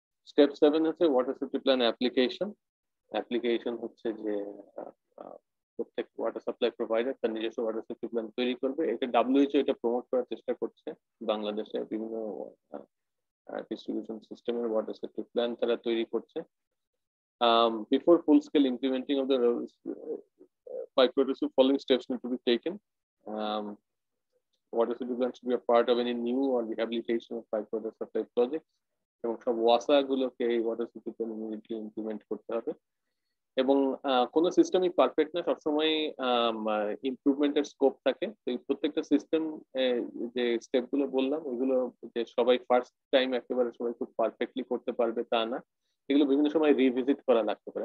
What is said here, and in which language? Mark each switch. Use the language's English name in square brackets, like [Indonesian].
[Bangla] Step seven হচ্ছে water safety plan application. Application হচ্ছে যে প্রত্যেক ওয়াটার সাপ্লাই প্রোভাইডার তার নিজস্ব ওয়াটার সেফটি প্ল্যান তৈরি করবে, এটা WHO এটা প্রমোট করার চেষ্টা করছে, বাংলাদেশে বিভিন্ন ডিস্ট্রিবিউশন সিস্টেমের ওয়াটার সেফটি প্ল্যান তারা তৈরি করছে। [English] Before full scale implementing of the pipe protocol, following steps need to be taken. Water safety plan should be a part of any new or rehabilitation of pipe protocol supply projects. [Bangla] এবং সব ওয়াসা গুলোকে এই water safety plan immediately implement করতে হবে। এবং কোনো সিস্টেমই perfect না, সবসময় ইম্প্রুভমেন্টের স্কোপ থাকে। তো এই প্রত্যেকটা সিস্টেম যে স্টেপগুলো বললাম ওইগুলো যে সবাই ফার্স্ট টাইম একেবারে সবাই খুব পারফেক্টলি করতে পারবে তা না, এগুলো বিভিন্ন সময় রিভিজিট করা লাগতে পারে।